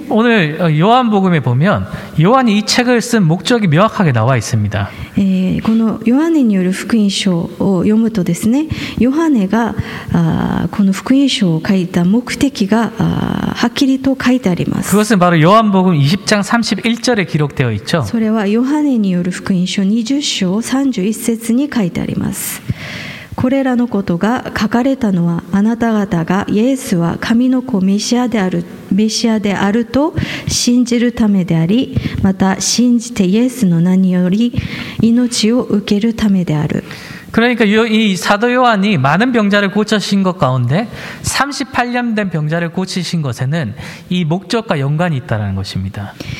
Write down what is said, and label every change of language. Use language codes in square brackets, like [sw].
[ko] 오늘 요한복음에 보면 요한이 이 책을 쓴 목적이 명확하게 나와 있습니다. [ja] このヨハネによる福音書を読むとですね、ヨハネがこの福音書を書いた目的がはっきりと書いてあります。 [ko] 그것은 바로 요한복음 20장 31절에 기록되어 있죠. [ja] それはヨハネによる福音書20章31節に書いてあります。これらのことが書かれたのはあなた方がイエスは神の子メシアであると信じるためであり、また信じてイエスの名により命を受けるためである。 [ko] 그러니까 이 사도 요한이 많은 병자를 고치신 것 가운데 38년 된 병자를 고치신 것에는 이 목적과 연관이 있다는 것입니다.